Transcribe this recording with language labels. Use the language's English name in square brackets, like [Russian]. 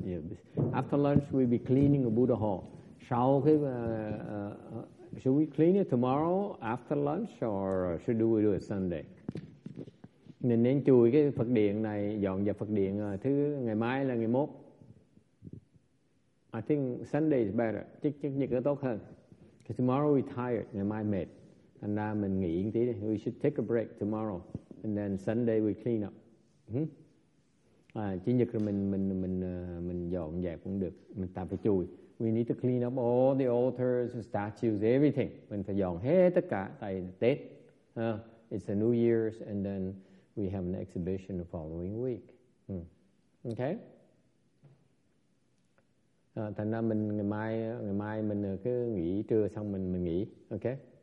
[English] You know, after lunch we be cleaning the Buddha hall. Should we clean it tomorrow after lunch, or should we do it Sunday? [Vietnamese] Nên chùi cái Phật điện này, dọn dẹp Phật điện thứ ngày mai là ngày mốt. [English] I think Sunday is better. [Vietnamese] Chắc nhật nó tốt hơn. [English] Because tomorrow we're tired, [Vietnamese] ngày mai mệt. Thành ra mình nghỉ một tí đi. [English] We should take a break tomorrow. And then Sunday we clean up. [Vietnamese] Chủ nhật rồi mình dọn dẹp cũng được. Mình tạm phải chùi. [English] We need to clean up all the altars, statues, everything. [Vietnamese] Mình phải dọn hết tất cả. Tại Tết. [English] It's the New Year's, and then we have an exhibition the following week. Okay? [Vietnamese] Thành ra mình ngày mai mình cứ nghỉ trưa xong mình nghỉ. Okay?